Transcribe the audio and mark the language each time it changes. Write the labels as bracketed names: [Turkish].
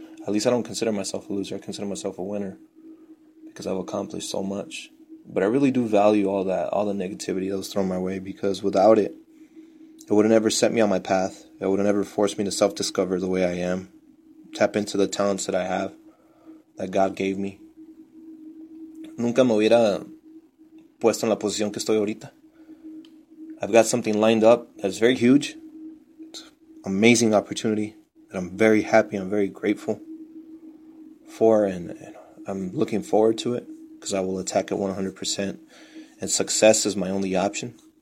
[English] At least I don't consider myself a loser. I consider myself a winner, because I've accomplished so much. But I really do value all that, all the negativity that was thrown my way, because without it, it would have never set me on my path. It would have never forced me to self-discover the way I am, tap into the talents that I have, that God gave me. [Spanish] Nunca me hubiera puesto en la posición que estoy ahorita. [English] I've got something lined up that's very huge. It's an amazing opportunity that I'm very happy, I'm very grateful for, and I'm looking forward to it, because I will attack it 100%, and success is my only option.